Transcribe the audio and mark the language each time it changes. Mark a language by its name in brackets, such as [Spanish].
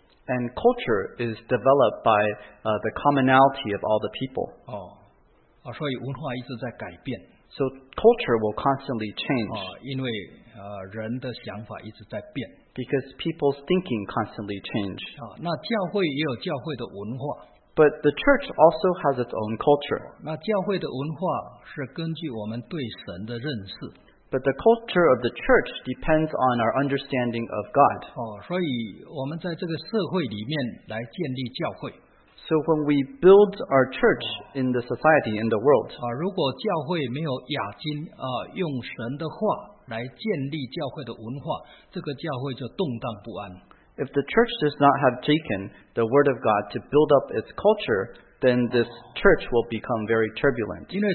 [English] and culture is developed by the commonality of all the people. [Chinese] 所以文化一直在改变, [English] so culture will constantly change. [Chinese] 因为, 人的想法一直在变, [English] because people's thinking constantly change. [Chinese] 那教会也有教会的文化, [English] but the church also has its own culture. [Chinese] 那教会的文化是根据我们对神的认识, [English] but the culture of the church depends on our understanding of God. [Chinese] 所以我们在这个社会里面来建立教会, [English] so when we build our church in the society, in the world, [Chinese] 如果教会没有雅金, 用神的话来建立教会的文化, 这个教会就动荡不安。 [English] If the church does not have Jakin, the word of God, to build up its culture, then this church will become very turbulent.